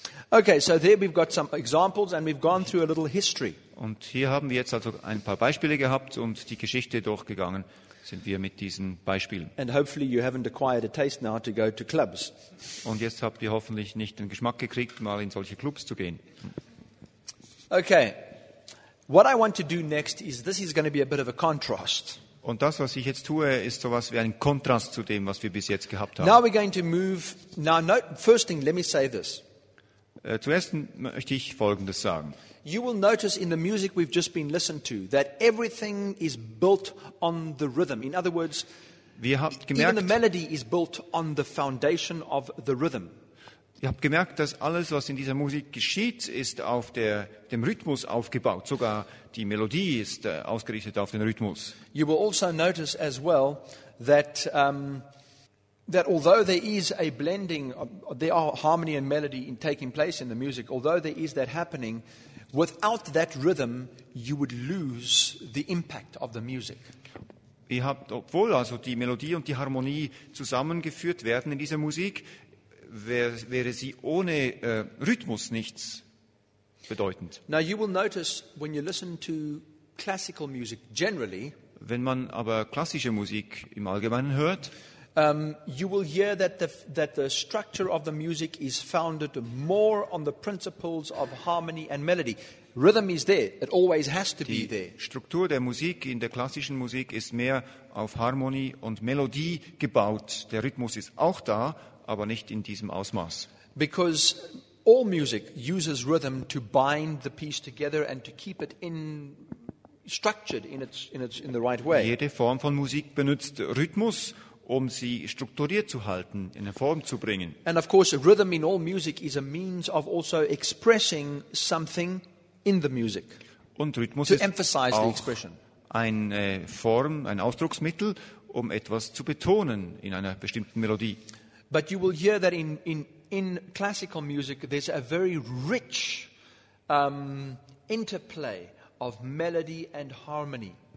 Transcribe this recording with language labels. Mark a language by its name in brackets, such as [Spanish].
[English] Okay, so there we've got some examples and we've gone through a little history. [German] Und hier haben wir jetzt also ein paar Beispiele gehabt und die Geschichte durchgegangen sind wir mit diesen Beispielen. [English] And hopefully you haven't acquired a taste now to go to clubs. [German] Und jetzt habt ihr hoffentlich nicht den Geschmack gekriegt, mal in solche Clubs zu gehen. [English] Okay. What I want to do next is this is going to be a bit of a contrast. [German] Und das, was ich jetzt tue, ist sowas wie ein Kontrast zu dem, was wir bis jetzt gehabt haben. [English] Now we're going to move. Now, no, first thing, let me say this. [German] Zuerst möchte ich Folgendes sagen. [English] You will notice in the music we've just been listened to that everything is built on the rhythm. In other words, even the melody is built on the foundation of the rhythm. [German] Ihr habt gemerkt, dass alles, was in dieser Musik geschieht, ist auf dem Rhythmus aufgebaut. Sogar die Melodie ist ausgerichtet auf den Rhythmus. [English] You will also notice as well that that although there is a blending, there are harmony and melody in taking place in the music. Although there is that happening, without that rhythm, you would lose the impact of the music. [German] Ihr habt, obwohl also die Melodie und die Harmonie zusammengeführt werden in dieser Musik, wäre sie ohne Rhythmus nichts bedeutend. [English] Now you will notice when you listen to classical music generally, [German] wenn man aber klassische Musik im Allgemeinen hört, [English] you will hear that the structure of the music is founded more on the principles of harmony and melody. Rhythm is there. It always has to be there. [German] Die Struktur der Musik in der klassischen Musik ist mehr auf Harmonie und Melodie gebaut. Der Rhythmus ist auch da, aber nicht in diesem Ausmaß. [English] Because all music uses rhythm to bind the piece together and to keep it in structured in the right way. [German] Jede Form von Musik benutzt Rhythmus, um sie strukturiert zu halten, in eine Form zu bringen. [English] And of course, rhythm in all music is a means of also expressing something in the music. [German] Und Rhythmus ist auch eine Form, ein Ausdrucksmittel, um etwas zu betonen in einer bestimmten Melodie. [English] But you will hear that in classical music there's a very rich interplay of melody and harmony.